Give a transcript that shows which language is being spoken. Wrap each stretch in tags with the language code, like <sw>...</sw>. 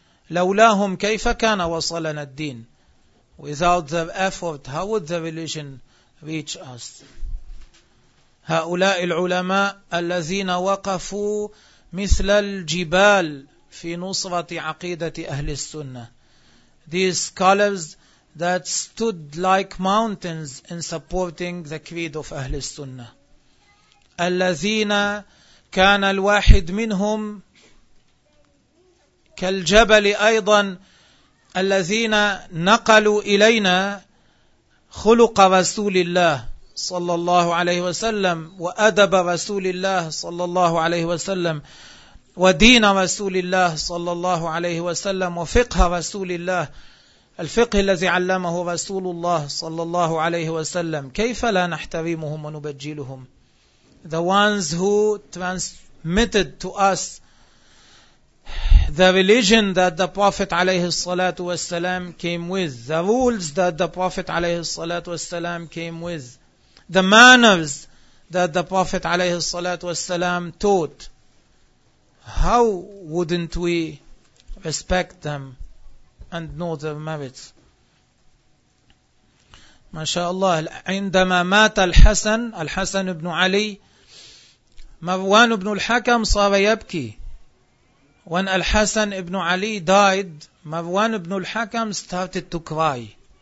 <ar>لولاهم كيف كان وصلنا الدين.</ar> <en>Without their effort, how would the religion reach us?</en> <ar>هؤلاء العلماء الذين وقفوا مثل الجبال في نصرة عقيدة أهل السنة.</ar> <en>These scholars that stood like mountains in supporting the creed of أهل السنة.</en> <ar>الذين كان الواحد منهم كالجبل أيضا الذين نقلوا إلينا خلق رسول الله صلى الله عليه وسلم وأدب رسول الله صلى الله عليه وسلم ودين رسول الله صلى الله عليه وسلم وفقه رسول الله الفقه الذي علمه رسول الله صلى الله عليه وسلم. كيف لا نحترمهم ونبجلهم؟</ar> <en>The ones who transmitted to us the religion that the Prophet عليه الصلاة والسلام came with, the rules that the Prophet عليه الصلاة والسلام came with, the manners that the Prophet عليه الصلاة والسلام taught, how wouldn't we respect them and know their merits?</en> <ar>ما شاء الله. عندما مات الحسن, الحسن بن علي, مروان بن الحكم صار يبكي.</ar> <en>When Al-Hasan ibn Ali died, Marwan ibn al-Hakam started to cry.</en>